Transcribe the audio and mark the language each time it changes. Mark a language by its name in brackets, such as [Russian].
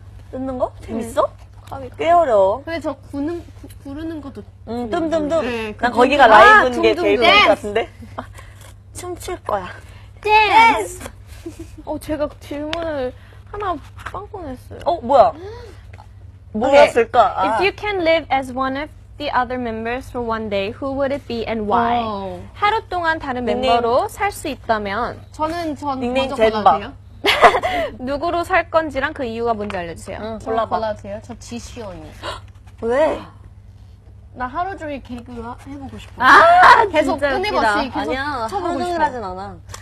[Korean] 뜯는 거? 재밌어? 가위 꽤 어려워. 근데 저 구는, 구르는 것도. 뜸뜸뜸. 네, 난 그 거기가 라이브인 게 제일 좋은 것 같은데. 아, 춤출 거야. 댄스! 어, 제가 질문을 하나 빵꾸 냈어요. 어, 뭐야? 뭐였을까? [English] Okay. 아. If you can live as one of the other members for one day, who would it be and why? [Korean] 오. 하루 동안 다른 닉네임. 멤버로 살 수 있다면. 저는 전 먼저 골라주세요. 누구로 살 건지랑 그 이유가 뭔지 알려주세요. 응, 골라봐. 골라주세요. 저 지시 언니. 왜? 나 하루 종일 개그 해보고 싶어. 아, 계속 끊임없이 계속. 아니야, 하루 종일 하진 않아.